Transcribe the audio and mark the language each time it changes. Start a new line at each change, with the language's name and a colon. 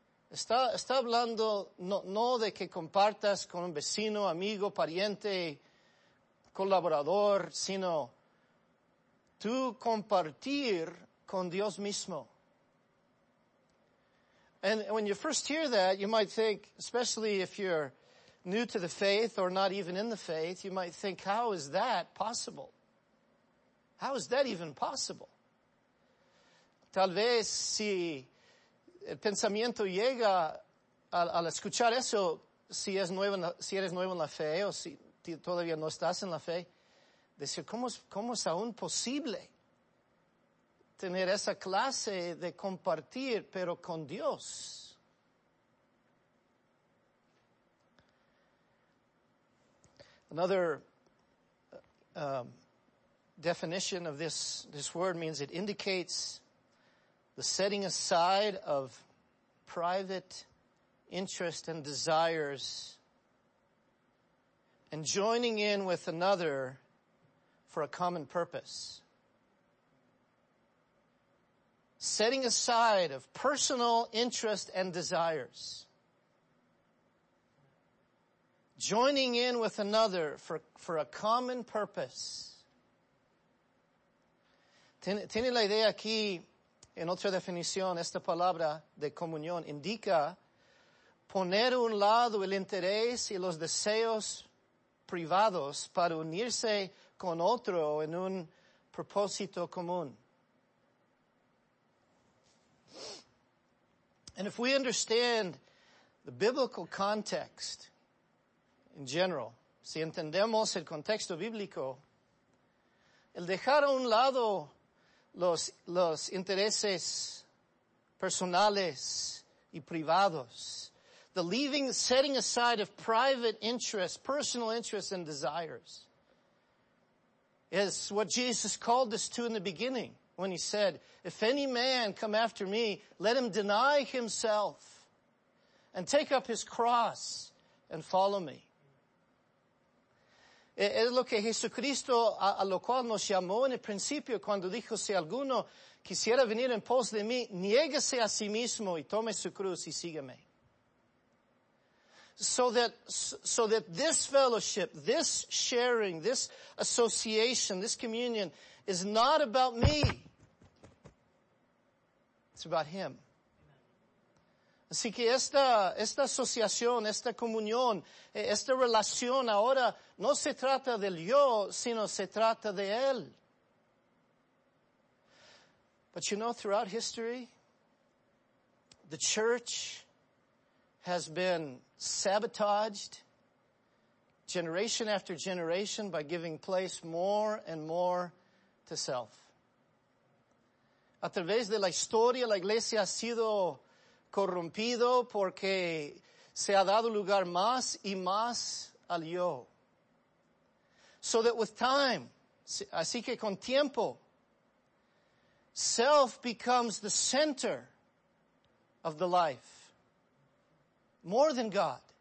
Spanish: Está hablando no de que compartas con un vecino, amigo, pariente, colaborador, sino tú compartir con Dios mismo.
English: And when you first hear that, you might think, especially if you're new to the faith or not even in the faith, you might think, how is that possible? How is that even possible?
Spanish: Tal vez si el pensamiento llega al escuchar eso, si eres nuevo en la fe o si todavía no estás en la fe, decir, ¿cómo es aún posible tener esa clase de compartir, pero con Dios?
English: Another definition of this word means it indicates the setting aside of private interest and desires and joining in with another for a common purpose. Setting aside of personal interest and desires. Joining in with another for a common purpose.
Spanish: Tiene la idea aquí, en otra definición, esta palabra de comunión indica poner a un lado el interés y los deseos privados para unirse con otro en un propósito común.
English: And if we understand the biblical context in general,
Spanish: si entendemos el contexto bíblico, el dejar a un lado los intereses personales y privados,
English: the setting aside of private interests, personal interests and desires, is what Jesus called us to in the beginning when he said, if any man come after me, let him deny himself and take up his cross and follow me.
Spanish: Es lo que Jesucristo a lo cual nos llamó en el principio cuando dijo, si alguno quisiera venir en pos de mí, niéguese a sí mismo y tome su cruz y sígueme.
English: So that this fellowship, this sharing, this association, this communion is not about me. It's about him.
Spanish: Así que esta asociación, esta comunión, esta relación ahora no se trata del yo, sino se trata de él.
English: But you know, throughout history, the church has been sabotaged generation after generation by giving place more and more to self.
Spanish: A través de la historia, la iglesia ha sido corrompido porque se ha dado lugar más y más al yo.
English: So that with time,
Spanish: así que con tiempo,
English: self becomes the center of the life. More than God.